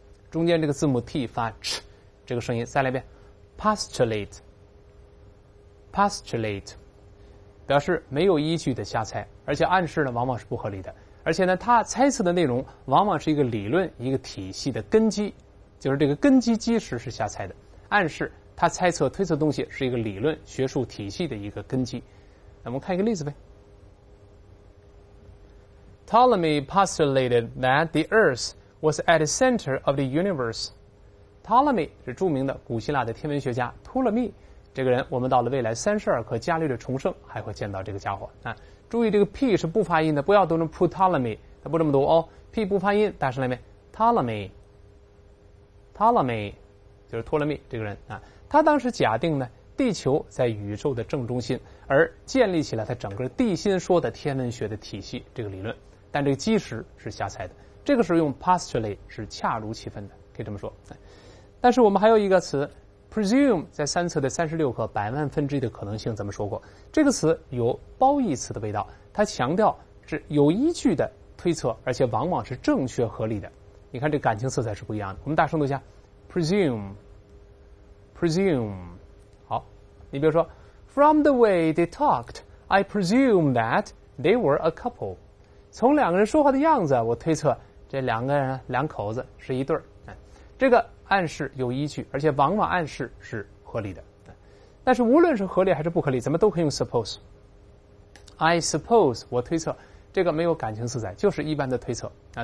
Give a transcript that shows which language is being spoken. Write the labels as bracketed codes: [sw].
[zh] 中间这个字母 T 发 ch 这个声音，再来一遍 postulate 表示没有依据的瞎猜，而且暗示呢往往是不合理的，而且呢他猜测的内容往往是一个理论、一个体系的根基，就是这个根基基石是瞎猜的，暗示他猜测推测东西是一个理论学术体系的一个根基。那我们看一个例子呗。 [en] Ptolemy postulated that the Earth was at the center of the universe. [zh] Ptolemy 是著名的古希腊的天文学家，托勒密这个人，我们到了未来三十二课伽利略重生还会见到这个家伙啊。注意这个 P 是不发音的，不要读成 Ptolemy， 他不这么读哦。 P 不发音，大声来一遍 Ptolemy 就是托勒密这个人啊。他当时假定呢，地球在宇宙的正中心，而建立起了他整个地心说的天文学的体系这个理论，但这个基石是瞎猜的。这个时候用 postulate 是恰如其分的，可以这么说。但是我们还有一个词 presume， 在三册的三十六课百万分之一的可能性，咱们说过这个词有褒义词的味道，它强调是有依据的推测，而且往往是正确合理的。你看这感情色彩是不一样的。我们大声读一下 presume， 好，你比如说 ， [en] from the way they talked, I presume that they were a couple。 [zh] 从两个人说话的样子，我推测这两个人两口子是一对儿。这个暗示有依据，而且往往暗示是合理的。但是无论是合理还是不合理，咱们都可以用 suppose。 [en] I suppose， [zh] 我推测，这个没有感情色彩，就是一般的推测啊。